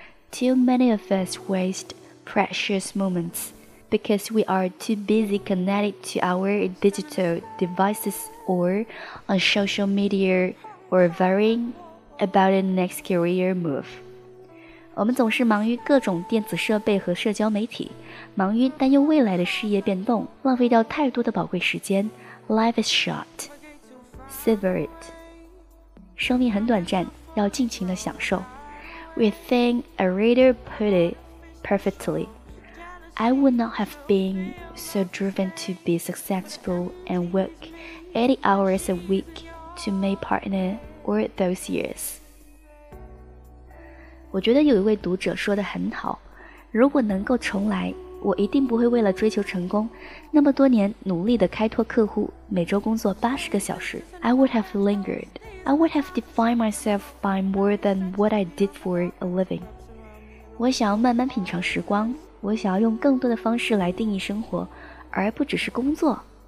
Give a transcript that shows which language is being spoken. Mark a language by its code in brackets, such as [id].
[en] Too many of us waste precious moments because we are too busy connected to our digital devices or on social media or worrying about the next career move。 [zh] 我们总是忙于各种电子设备和社交媒体，忙于担忧未来的事业变动，浪费掉太多的宝贵时间。 [en] Life is short, savor it. [zh] 生命很短暂，要尽情的享受。 [en] We think a reader put it perfectly. I would not have been so driven to be successful and work 80 hours a week to my partner or those years. [zh] 我觉得有一位读者说得很好，如果能够重来，我一定不会为了追求成功，那么多年努力地开拓客户，每周工作80个小时。 [en] I would have lingered. I would have defined myself by more than what I did for a living. [zh] 我想要慢慢品尝时光，我想要用更多的方式来定义生活，而不只是工作。